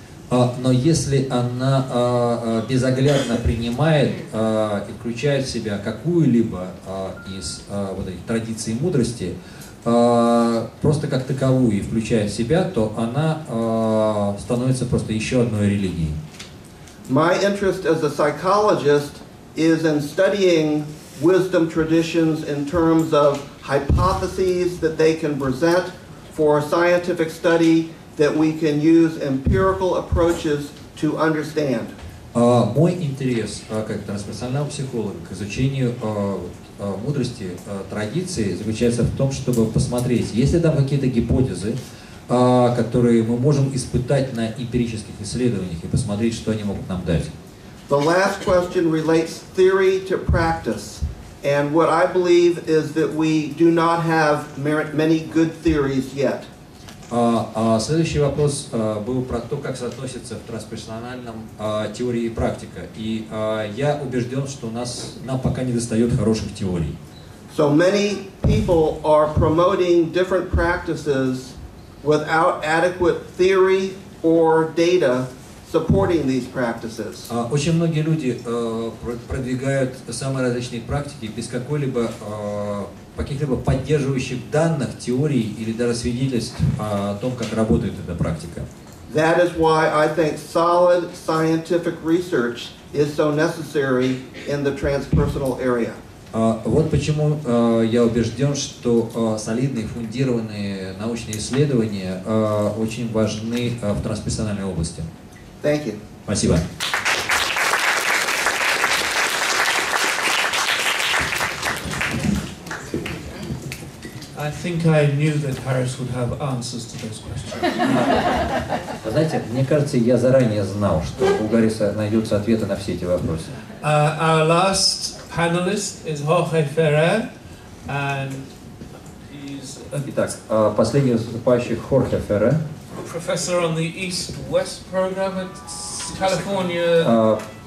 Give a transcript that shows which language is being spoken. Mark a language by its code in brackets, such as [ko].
[ru] Но если она безоглядно принимает и включает в себя какую-либо из вот этих традиций мудрости, просто как таковую, и включая в себя, то она становится просто еще одной религией. [en] My interest as a psychologist is in studying wisdom traditions in terms of hypotheses that they can present for a scientific study that we can use empirical approaches to understand. [ru] Мой интерес как трансперсонального психолога к изучению мудрости, традиции заключается в том, чтобы посмотреть, есть ли там какие-то гипотезы, которые мы можем испытать на эмпирических исследованиях и посмотреть, что они могут нам дать. [en] The last question relates theory to practice, and what I believe is that we do not have many good theories yet. [ru] Следующий вопрос был про то, как соотносится в трансперсональном теории и практика. И я убежден, что нам пока не достает хороших теорий. [en] So many people are promoting different practices without adequate theory or data supporting these practices. [ru] Очень многие люди продвигают самые различные практики без какой-либо каких-либо поддерживающих данных, теорий или даже свидетельств о том, как работает эта практика. [en] That is why I think solid scientific research is so necessary in the transpersonal area. [ru] Вот почему я убежден, что солидные, фундированные научные исследования очень важны в трансперсональной области. [en] Thank you. [ru] Спасибо. [en] I think I knew that Harris would have answers to those questions. [ru] Знаете, мне кажется, я заранее знал, что у Гарриса найдутся ответы на все эти вопросы. [en] Our last panelist is Jorge Ferrer, and he's [ru] Итак, последний выступающий Хорхе Ферре. [en] Professor on the East-West program at California.